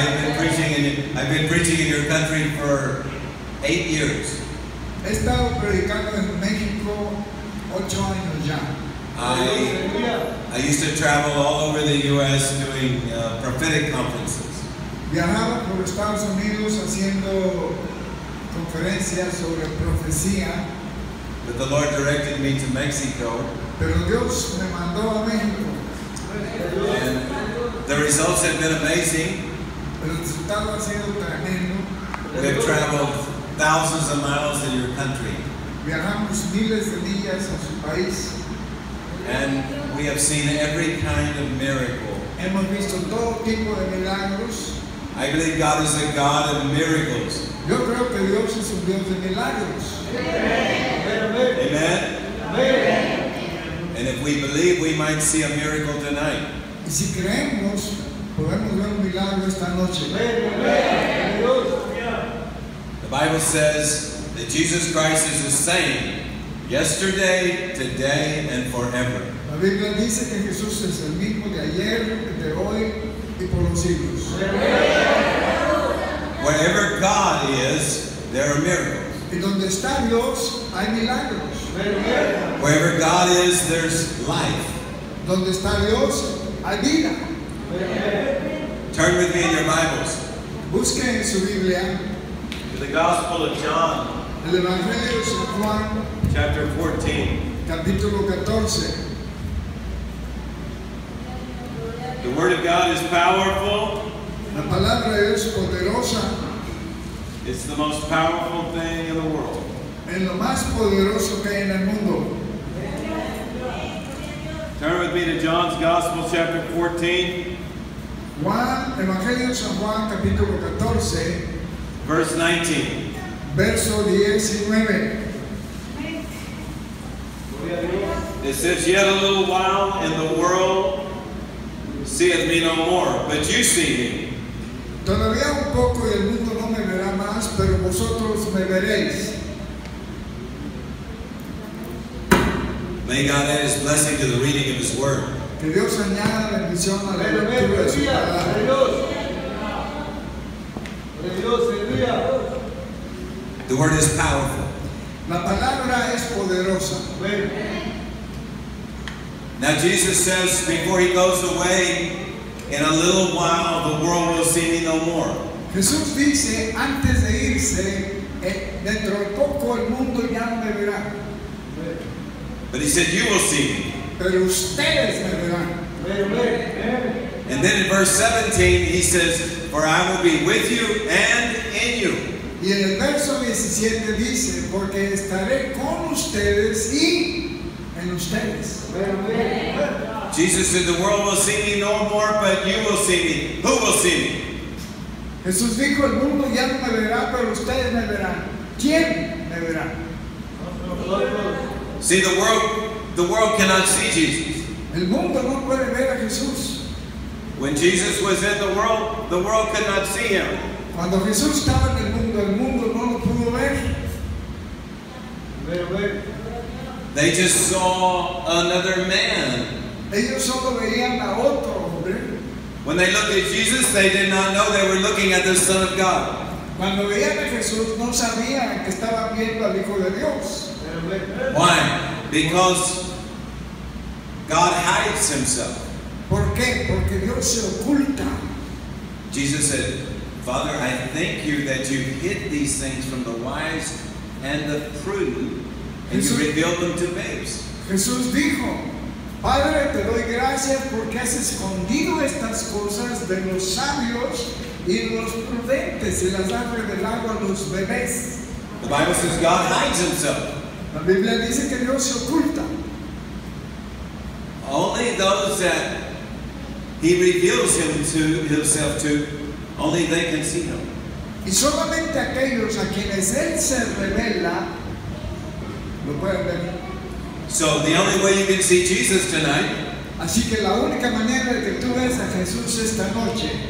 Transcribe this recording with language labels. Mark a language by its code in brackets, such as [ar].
[en] I've been preaching in your country for 8 years. [es] He estado predicando en México 8 años ya. [en] I used to travel all over the U.S. doing prophetic conferences. [es] Viajaba por Estados Unidos haciendo conferencias sobre profecía. [en] But the Lord directed me to Mexico. [es] Pero Dios me mandó a México. [en] And the results have been amazing. [es] El resultado ha sido tremendo. [en] We have traveled thousands of miles in your country. [es] Viajamos miles de millas en su país. [en] And we have seen every kind of miracle. [es] Hemos visto todo tipo de milagros. [en] I believe God is a God of miracles. [es] Yo creo que Dios es un Dios de milagros. [en] Amen. Amen. Amen. And if we believe, we might see a miracle tonight. [es] Y si creemos, podemos ver un milagro esta noche. [en] The Bible says that Jesus Christ is the same yesterday, today, and forever. [es] La Biblia dice que Jesús es el mismo de ayer, de hoy, y por los siglos. [en] Wherever God is, there are miracles. [es] Y donde está Dios, hay milagros. [en] Wherever God is, there's life. [es] Donde está Dios, hay vida. [en] Turn with me in your Bibles. [es] Busque en su Biblia. [en] The Gospel of John. [es] El Evangelio de San Juan. [en] Chapter 14. [es] Capítulo 14. [en] The Word of God is powerful. [es] La palabra es poderosa. [en] It's the most powerful thing in the world. [es] Es lo más poderoso que hay en el mundo. [en] Turn with me to John's Gospel, chapter 14. [es] Juan, Evangelio San Juan, capítulo 14. [en] Verse 19. [es] Verso 19. [en] It says, yet a little while in the world seeth me no more, but you see me. [es] Todavía un poco y el mundo no me verá más, pero vosotros me veréis. [en] May God add His blessing to the reading of His Word. [es] Que Dios añada bendición a la lectura de su palabra. [en] The Word is powerful. [es] La palabra es poderosa. [en] Now Jesus says, before He goes away, in a little while the world will see me no more. [es] Jesús dice, antes de irse, dentro de poco el mundo ya no me verá. [en] But He said, you will see me. [es] Pero ustedes me verán. [en] And then in verse 17, He says, for I will be with you and in you. [es] Y en el verso 17 dice, porque estaré con ustedes y en ustedes. [en] Jesus said, the world will see me no more, but you will see me. Who will see me? [es] Jesús dijo, el mundo ya no me verá, pero ustedes me verán. ¿Quién me verá? [en] See, the world cannot see Jesus. [es] El mundo no puede ver a Jesús. [en] When Jesus was in the world could not see Him. [es] Cuando Jesús estaba en el mundo no lo pudo ver. [en] They just saw another man. [es] Ellos solo veían a otro hombre. [en] When they looked at Jesus, they did not know they were looking at the Son of God. [es] Cuando veían a Jesús, no sabían que estaban viendo al Hijo de Dios. [en] Why? Because God hides Himself. [es] ¿Por qué? Porque Dios se oculta. [en] Jesus said, Father, I thank you that you hid these things from the wise and the prudent, and Jesús, you revealed them to babes. [es] Jesús dijo, Padre, te doy gracias porque has escondido estas cosas de los sabios y los prudentes, y las has revelado a los bebés. [en] The Bible says God hides Himself. [es] La Biblia dice que Dios se oculta. [en] Only those that He reveals Himself to, only they can see Him. [es] Y solamente aquellos a quienes Él se revela lo pueden ver. [en] So the only way you can see Jesus tonight, [es] así que la única manera de que tú ves a Jesús esta noche,